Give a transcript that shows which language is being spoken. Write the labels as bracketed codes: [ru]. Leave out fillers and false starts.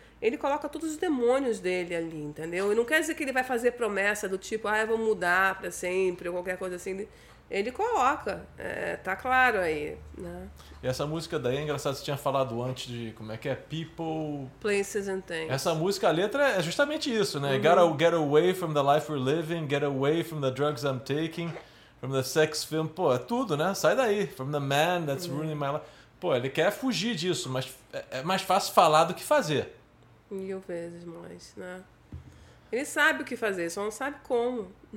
[pt] Ele coloca todos os demônios dele ali, entendeu? E não quer dizer que ele vai fazer promessa do tipo, ah, eu vou mudar pra sempre, ou qualquer coisa assim. Ele coloca, tá claro aí, né? E essa música daí, é engraçado, você tinha falado antes de, como é que é? [en] People... Places and Things. [pt] Essa música, a letra é justamente isso, né? Uhum. [en] Gotta get away from the life we're living, get away from the drugs I'm taking, from the sex film. [pt] Pô, é tudo, né? Sai daí. [en] From the man that's ruining my life. [pt] Pô, ele quer fugir disso, mas é mais fácil falar do que fazer. 1000 vezes mais, né? Ele sabe o que fazer, só não sabe como.